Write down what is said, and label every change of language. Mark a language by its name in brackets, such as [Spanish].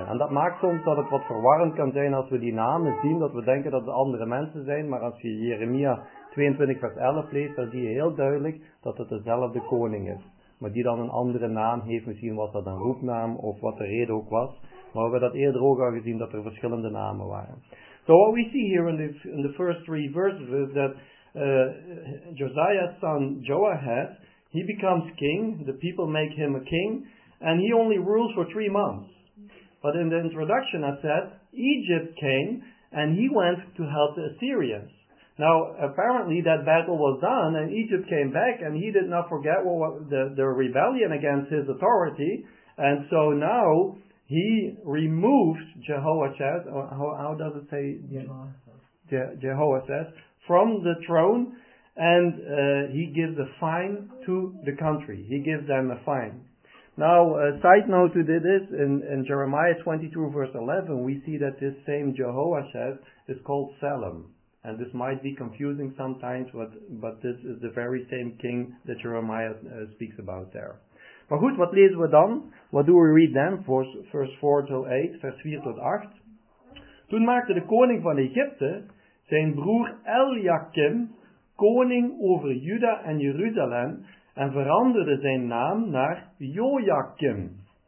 [Dutch] En dat maakt soms dat het wat verwarrend kan zijn als we die namen zien, dat we denken dat het andere mensen zijn. Maar als je Jeremia 22 vers 11 leest, dan zie je heel duidelijk dat het dezelfde koning is. Maar die dan een andere naam heeft. Misschien was dat een roepnaam of wat de reden ook was. Maar we hebben dat eerder ook al gezien dat er verschillende namen waren. [English] So what we see here in the first 3 verses is that Josiah's son Joahaz, he becomes king, the people make him a king, and he only rules for 3 months. But in the introduction I said, Egypt came, and he went to help the Assyrians. Now, apparently that battle was done, and Egypt came back, and he did not forget the rebellion against his authority, and so now he removes Jehoahaz, how does it say? Jehoahaz. From the throne, and he gives a fine to the country. He gives them a fine. Now, a side note to this, in Jeremiah 22 verse 11, we see that this same Jehoahaz is called Salem. And this might be confusing sometimes, but this is the very same king that Jeremiah speaks about there. [Dutch] Maar goed, wat lezen we dan? [English] What do we read then? Verse 4 till 8, [Dutch] vers 4 tot 8. Toen maakte de koning van Egypte zijn broer Eliakim koning over Juda en Jeruzalem en veranderde zijn naam naar Joachim.